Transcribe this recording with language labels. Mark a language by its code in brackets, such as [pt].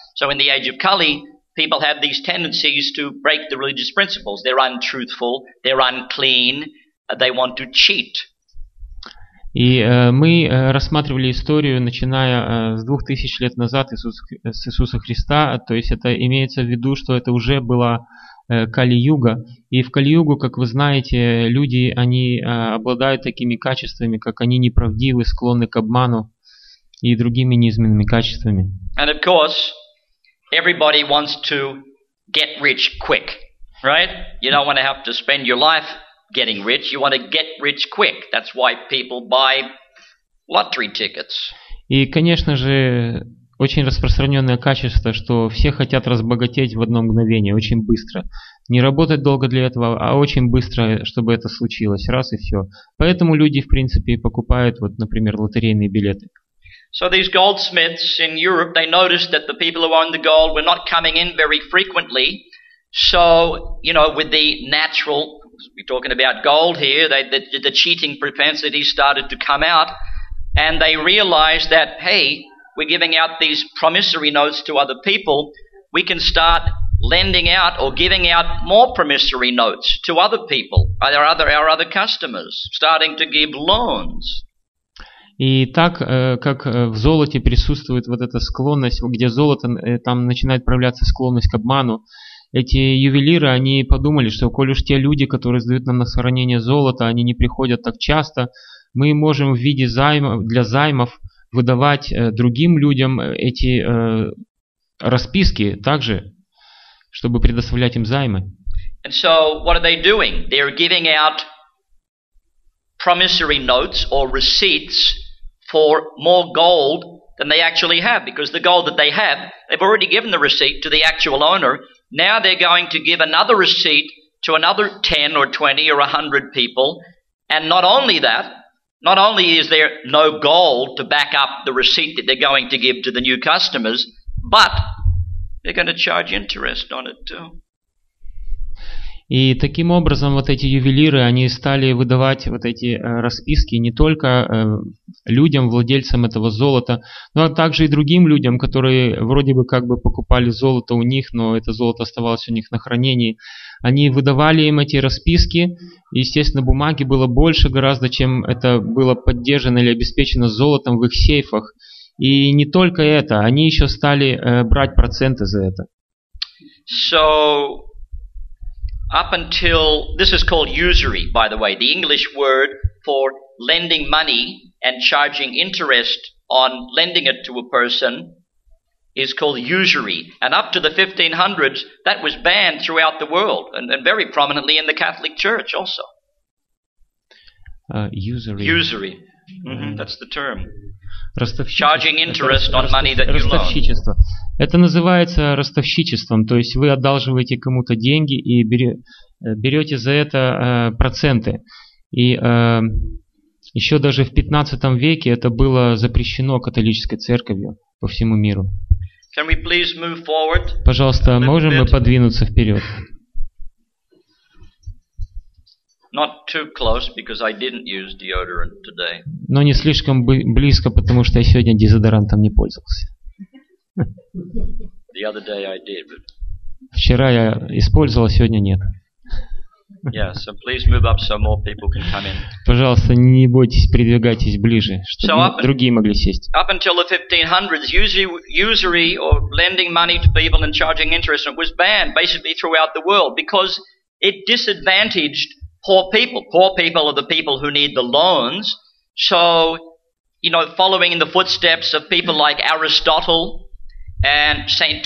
[en] So in the age of Kali, people have these tendencies to break the religious principles. They're untruthful, they're unclean, they want to cheat. [ru] И мы рассматривали историю, начиная с 2000 лет назад с Иисуса Христа, то есть это имеется в виду, что это уже была Кали-юга, и в Кали-югу, как вы знаете, люди, они обладают такими качествами, как они неправдивы, склонны к обману и другими низменными качествами. [en] And of course, everybody wants to get rich quick, right? You don't want to have to spend your life getting rich, you want to get rich quick. That's why people buy lottery tickets. [ru] И, конечно же, очень распространенное качество, что все хотят разбогатеть в одно мгновение, очень быстро. Не работать долго для этого, а очень быстро, чтобы это случилось, раз и все. Поэтому люди, в принципе, покупают, вот, например, лотерейные билеты. [en] So these goldsmiths in Europe, they noticed that the people who owned the gold were not coming in very frequently. So, you know, with the natural... We're talking about gold here. The cheating propensity started to come out, and they realized that, hey, we're giving out these promissory notes to other people. We can start lending out or giving out more promissory notes to other people, our other customers, starting to give loans. [ru] И так, как в золоте присутствует вот эта склонность, где золото, там начинает проявляться склонность к обману. Эти ювелиры, они подумали, что коль уж те люди, которые сдают нам на сохранение золото, они не приходят так часто, мы можем в виде займов, для займов выдавать другим людям эти расписки также, чтобы предоставлять им займы. [en] And so, what are they doing? They're giving out promissory notes or receipts for more gold than they actually have, because the gold that they have, they've already given the receipt to the actual owner. Now they're going to give another receipt to another 10 or 20 or 100 people. And not only that, not only is there no gold to back up the receipt that they're going to give to the new customers, but they're going to charge interest on it too. [ru] И таким образом вот эти ювелиры, они стали выдавать вот эти расписки не только людям, владельцам этого золота, но также и другим людям, которые вроде бы как бы покупали золото у них, но это золото оставалось у них на хранении. Они выдавали им эти расписки, естественно, бумаги было больше гораздо, чем это было поддержано или обеспечено золотом в их сейфах. И не только это, они еще стали брать проценты за это. [en] So... Up until, this is called usury, by the way, the English word for lending money and charging interest on lending it to a person is called usury. And up to the 1500s, that was banned throughout the world, and very prominently in the Catholic Church also. Usury. Usury. Mm-hmm. That's the term. [ru] Ростовщичество. [en] Charging interest on money that you loan. [ru] Это называется ростовщичеством, то есть вы одалживаете кому-то деньги и берете за это проценты. И еще даже в 15 веке это было запрещено католической церковью по всему миру. [en] Can we please move forward? [ru] Пожалуйста, можем мы подвинуться вперед? [en] Not too close, because I didn't use deodorant today. [ru] Но не слишком близко, потому что я сегодня дезодорантом не пользовался. [en] The other day I did, but... [ru] Вчера я использовал, сегодня нет. [en] Yeah, so please move up so more people can come in. [ru] Пожалуйста, не бойтесь, передвигайтесь ближе, чтобы [en] so up, [ru] другие могли сесть. [en] Up until the 1500s, usury or lending money to people and charging interest was banned basically throughout the world because it disadvantaged poor people. Poor people are the people who need the loans. So, you know, following in the footsteps of people like Aristotle and St.